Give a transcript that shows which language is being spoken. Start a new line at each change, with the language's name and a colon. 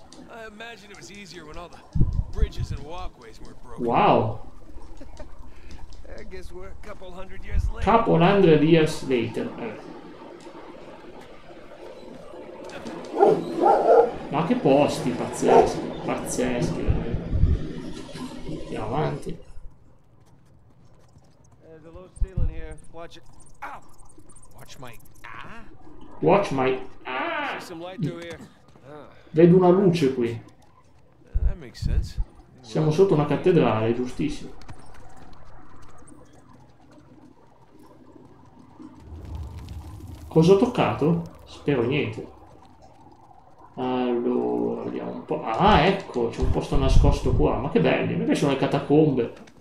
English: I imagine it was easier when all the bridges and walkways were broken. Wow. I guess we're a couple hundred years later. Couple hundred years later.
Italian: Ma che posti pazzeschi, pazzeschi. Andiamo avanti.
English: There's a low ceiling here. Watch it. Ow! Watch my ah. Watch my ah. See some light through here.
Italian: Vedo una luce qui. Siamo sotto una cattedrale, giustissimo. Cosa ho toccato? Spero niente. Allora, andiamo un po'. Ah, ecco, c'è un posto nascosto qua. Ma che belli, mi piacciono le catacombe.